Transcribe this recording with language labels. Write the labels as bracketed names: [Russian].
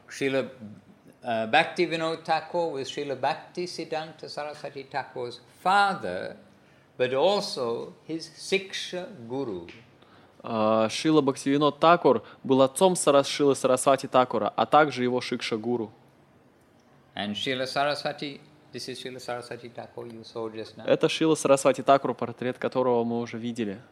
[English] Шрила Бхактивинода Такур was Шрила Бхакти Сиддханта Сарасвати Такур's father, but also his Siksha Guru. [Russian] Шрила Бхактивинода Такур был отцом Шрилы Сарасвати Такура, а также его Шикша Гуру. [English] And Шрила Сарасвати, this is Шрила Сарасвати Такур you saw just now. [Russian] Это Шрила Сарасвати Такур, портрет которого мы уже видели.